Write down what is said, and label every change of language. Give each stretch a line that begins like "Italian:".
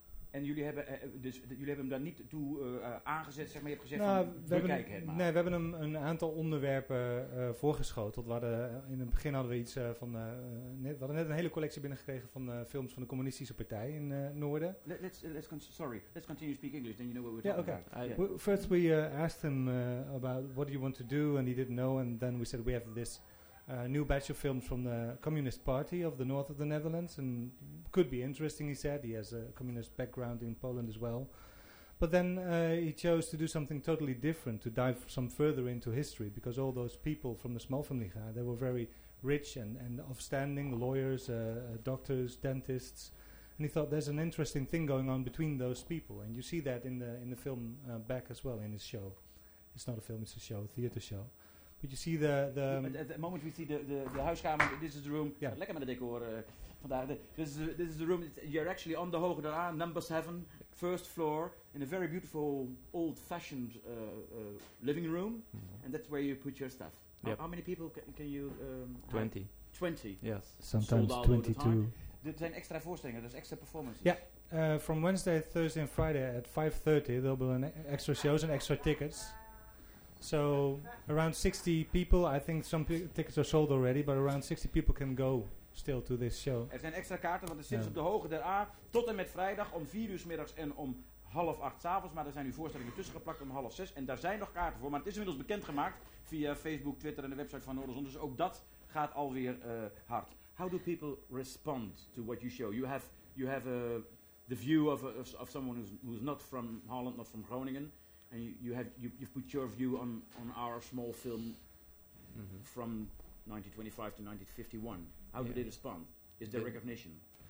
Dutch: En jullie hebben hebben hem daar niet toe aangezet, zeg maar, je hebt gezegd, nou, van, bekijk het maar. Nee, we hebben hem een aantal onderwerpen voorgeschoteld. In het begin hadden we iets van, we hadden net een hele collectie binnengekregen van films van de Communistische Partij in Noorden.
English: Let's continue speak English, then you know what we're talking about. Yeah. First we asked him about what do you want to do, and he didn't know, and then we said we have this new batch of films from the Communist Party of the North of the Netherlands, and could be interesting, he said. He has a communist background in Poland as well. But then he chose to do something totally different, to dive some further into history, because all those people from the Small Family, they were very rich and of standing, lawyers, doctors, dentists. And he thought there's an interesting thing going on between those people. And you see that in the film back as well, in his show. It's not a film, it's a show, a theater show. But you see the at the moment we see the huiskamer, this is the room. Yeah.
Dutch: Lekker met de decor vandaag.
English: This is the room. You're actually on the Hoge Raad, number 7, first floor, in a very beautiful, old-fashioned living room. Mm-hmm. And that's where you put your stuff. Yep. How many people can you... 20. 20? Yes. Sometimes 22.
Dutch: Dit zijn extra voorstellingen, dus extra performances. Yeah.
English: From Wednesday, Thursday and Friday at 5:30, there'll be extra shows and extra tickets. So around 60 people, I think some tickets are sold already, but around 60 people can go still to this show.
Dutch: Er zijn extra kaarten, want het zit op de Hoge der A tot en met vrijdag om 4 uur 's middags en om 7:30 s'avonds. Maar er zijn nu voorstellingen tussengeplakt om 5:30. En daar zijn nog kaarten voor, maar het is inmiddels bekendgemaakt via Facebook, Twitter en de website van Noorderzon. Dus ook dat gaat alweer hard.
English: How do people respond to what you show? You have the view of someone who's not from Holland, not from Groningen. And you've put your view on our small film from 1925 to 1951. How did they respond? Is there recognition?